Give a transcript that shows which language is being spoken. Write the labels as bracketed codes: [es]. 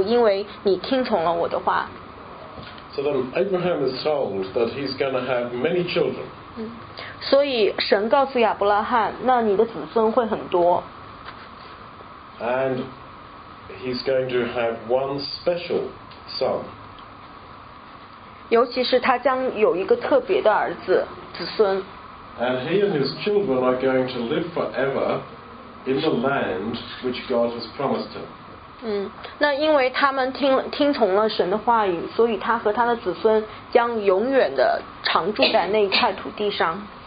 [zh] 必叫你的子孙多起来，如同天上的星、海边的沙。你的子孙得因必得这仇敌的城门，并且地上的万国都因你的后裔得福，因为你听从了我的话。 [en] So then Abraham is told that he's going to have many children. [zh] 所以神告诉亚伯拉罕，那你的子孙会很多。 [en] And he's going to have one special son. [zh] 尤其是他将有一个特别的儿子子孙。 [en] And he and his children are going to live forever in the land which God has promised him. [zh] 那因为他们听从了神的话语，所以他和他的子孙将永远的常住在那一块土地上。